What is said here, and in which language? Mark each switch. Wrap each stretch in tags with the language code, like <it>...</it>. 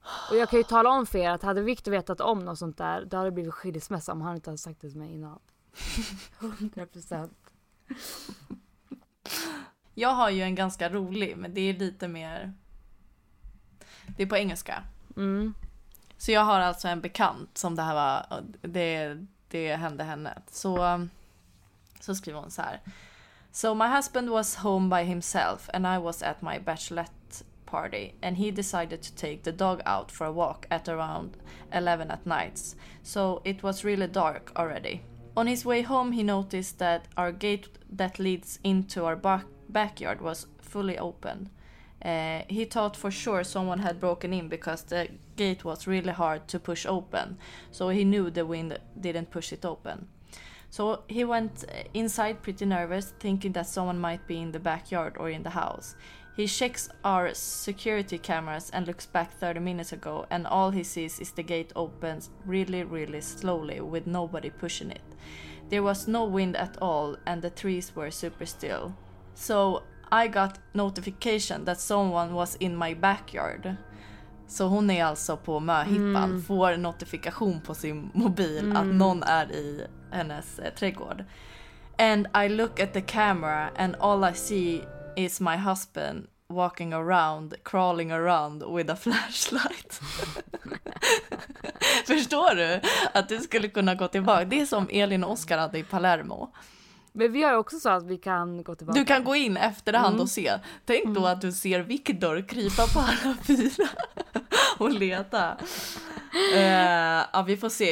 <sv>Och jag kan ju tala om för er att hade Victor vetat om något sånt där, då hade det blivit skilsmässa om han inte hade sagt det till mig innan. 100%. Jag har ju en ganska rolig, men det är lite mer... Det är på engelska. Mm. Så jag har alltså en bekant som det här var, det hände henne. Så skriver hon så här:</sv> <en>so my husband was home by himself and I was at my bachelorette party and he decided to take the dog out for a walk at around 11 at night. So it was really dark already. On his way home he noticed that our gate that leads into our backyard was fully open. He thought for sure someone had broken in because the gate was really hard to push open, so he knew the wind didn't push it open. So he went inside pretty nervous, thinking that someone might be in the backyard or in the house. He checks our security cameras and looks back 30 minutes ago, and all he sees is the gate opens really, really slowly with nobody pushing it. There was no wind at all and the trees were super still. So I got notification that someone was in my backyard.</en> <sv>Så hon är alltså på möhippan, får notifikation på sin mobil att någon är i hennes trädgård.</sv> <en>And I look at the camera and all I see is my husband walking around, crawling around with a flashlight.</en> <sv>Förstår du att det skulle kunna gå tillbaka? Det är som Elin och Oscar hade i Palermo. Men vi har också så att vi kan gå tillbaka. Du kan gå in efterhand och se. Tänk då att du ser Victor krypa på alla fyra och leta. Ja, vi får se.</sv>